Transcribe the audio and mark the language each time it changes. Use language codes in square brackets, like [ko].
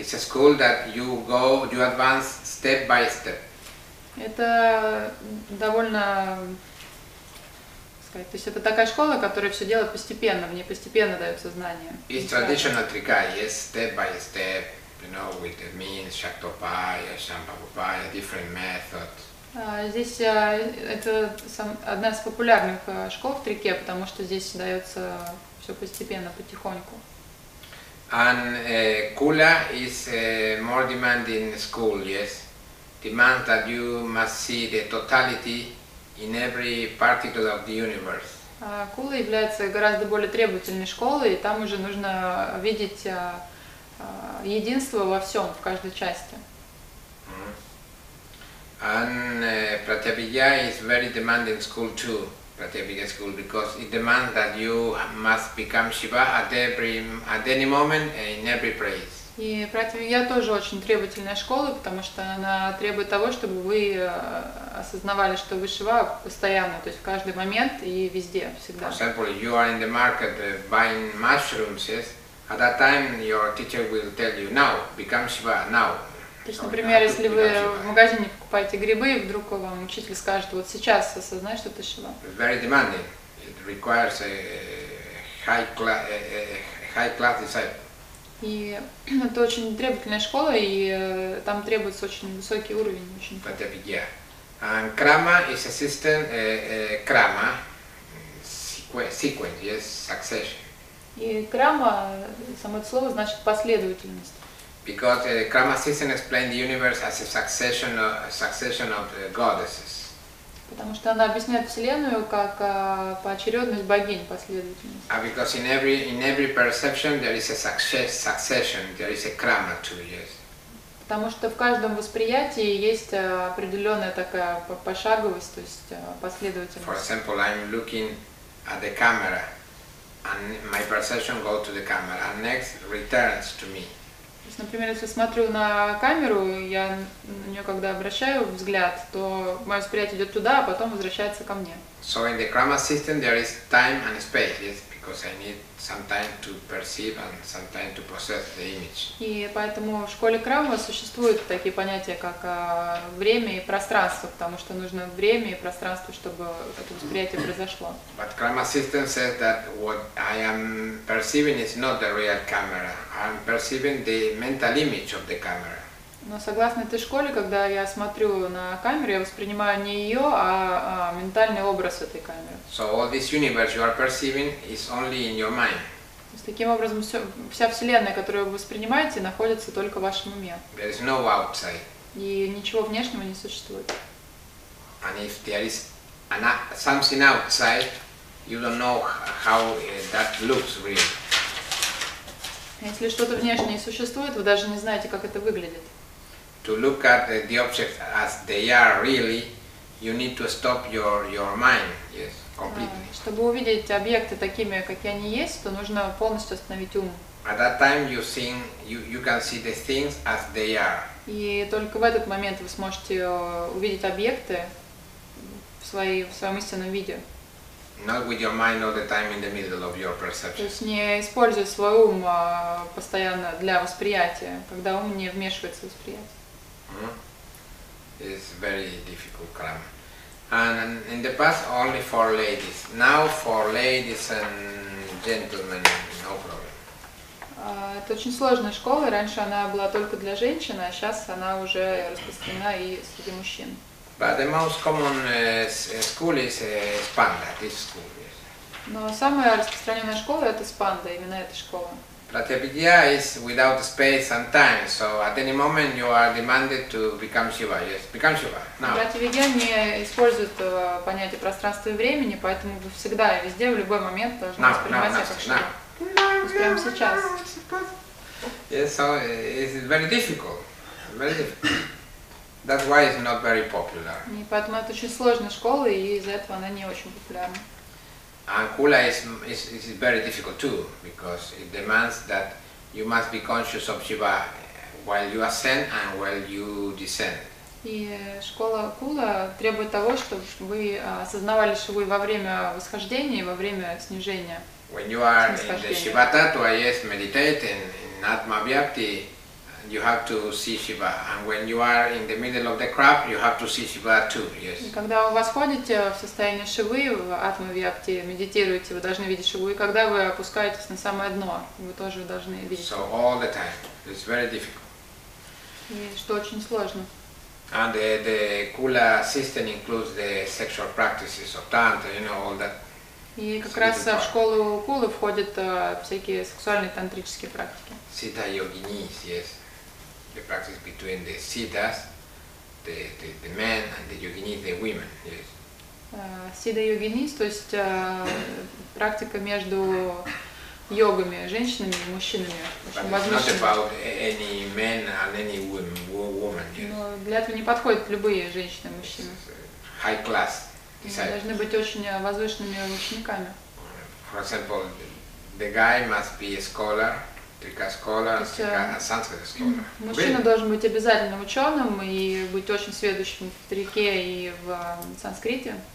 [en] It's a school that you go, you advance step by step. [ru] Это довольно, сказать, то есть это такая школа, которая все делает постепенно, мне постепенно дается знание. [en] It's traditional trika, yes, step by step, you know, with the means, Shaktopaya, Shambhavupaya, different methods. [ru] Здесь это одна из популярных школ в трике, потому что здесь дается все постепенно, потихоньку. [en] And Kula is a more demanding school, yes. Demands that you must see the totality in every particle of the universe. [ru] Kula является гораздо более требовательной школой, и там уже нужно видеть единство во всем, в каждой части. [en] And Pratyabhijñā is very demanding school too, Pratyabhijñā school, because it demands that you must become Shiva at any moment and in every place. [ru] И Pratyabhijñā тоже очень требовательная школа, потому что она требует того, чтобы вы осознавали, что вы Шива постоянно, то есть в каждый момент и везде, всегда. [en] For example, you are in the market buying mushrooms, yes? At that time your teacher will tell you, now, become Shiva, now. [ru] То есть, например, если вы в магазине покупаете грибы, и вдруг вам учитель скажет, вот сейчас осознай, что ты Шива. [en] Very demanding. It requires a high class disciple. [ru] И это очень требовательная школа, и там требуется очень высокий уровень. Очень. [en] Pratyabhijñā. And Krama is a system, Krama, sequence, yes, succession. [ru] И Krama, само это слово, значит последовательность. [en] Because Krama system explains the universe as a succession of goddesses. [ru] Потому что она объясняет Вселенную как поочередность богинь, последовательность. [en] And because in every perception there is a succession, there is a Krama too, yes. [ru] Потому что в каждом восприятии есть определенная такая пошаговость, то есть последовательность. [en] For example, I'm looking at the camera, and my perception goes to the camera, and next returns to me. [ru] То есть, например, если смотрю на камеру, я на нее когда обращаю взгляд, то мое восприятие идет туда, а потом возвращается ко мне. [en] So in the Krama system there is time and space, yes, because I need some time to perceive and some time to process the image. [ru] И поэтому в школе Крама существуют такие понятия, как время и пространство, потому что нужно время и пространство, чтобы это восприятие произошло. [en] But Krama system says that what I am perceiving is not the real camera. I'm perceiving the mental image of the camera. [ru] Но согласно этой школе, когда я смотрю на камеру, я воспринимаю не ее, а ментальный образ этой камеры. [en] So all this universe you are perceiving is only in your mind. [ru] То есть, таким образом, вся Вселенная, которую вы воспринимаете, находится только в вашем уме. [en] There is no outside. [ru] И ничего внешнего не существует. [en] And if there is something outside, you don't know how that looks really. [ru] Если что-то внешнее существует, вы даже не знаете, как это выглядит. [en] To look at the objects as they are really, you need to stop your mind, yes, completely. [ru] Чтобы увидеть объекты такими, какие они есть, то нужно полностью остановить ум. [en] At that time you can see the things as they are. [ru] И только в этот момент вы сможете увидеть объекты в своем истинном виде. [en] Not with your mind all the time in the middle of your perception. [ru] То есть не используя свой ум постоянно для восприятия, когда ум не вмешивается в восприятие. [en] It's very difficult Krama. And in the past only for ladies. Now for ladies and gentlemen, no problem. [ru] Это очень сложная школа. Раньше она была только для женщин, а сейчас она уже распространена и среди мужчин. [en] But the most common school is Spanda, this school, yes. [ru] Но самая распространенная школа это Spanda, именно эта школа. [en] Pratyabhijñā is without space and time, so at any moment you are demanded to become Shiva, yes, become Shiva, now. [ru] Pratyabhijñā не использует понятие пространства и времени, поэтому вы всегда и везде, в любой момент должны воспринимать себя как Шива. Прямо сейчас. [en] Yes, so it's very difficult. That's why it's not very popular. [ru] И поэтому это очень сложная школа, и из-за этого она не очень популярна. [en] And Kula is very difficult too, because it demands that you must be conscious of Shiva while you ascend and while you descend. [ru] И школа Кула требует того, чтобы вы осознавали Шиву во время восхождения и во время снижения. [en] When you are in the Shiva Tattva, yes, meditate in Atma Vyapti, you have to see Shiva. And when you are in the middle of the crab, you have to see Shiva too, yes. [ru] Когда вы восходите в состояние Шивы, в Атма Вьяпти, медитируете, вы должны видеть Шиву. И когда вы опускаетесь на самое дно, вы тоже должны видеть. [en] So all the time. It's very difficult. [ru] И что очень сложно. [en] And the Kula system includes the sexual practices of Tantra, you know, all that. [ru] И как раз в школу Кулы входят всякие сексуальные тантрические практики. [en] Siddha yoginis, yes. The practice between the siddhas, the men, and the yoginis, the women, yes. [ru] Siddha yoginis, то есть практика между йогами, женщинами и мужчинами. [en] Not about any men and any woman, yes. [ru] Но для этого не подходят любые женщины и мужчины. [en] High class. [ru] Мы должны быть очень возвышенными учениками. [en] For example, the guy must be a scholar, Trika scholar, a Sanskrit scholar. [ru] Мужчина [en] really? [ru] Должен быть обязательно ученым и быть очень сведущим в трике и в санскрите.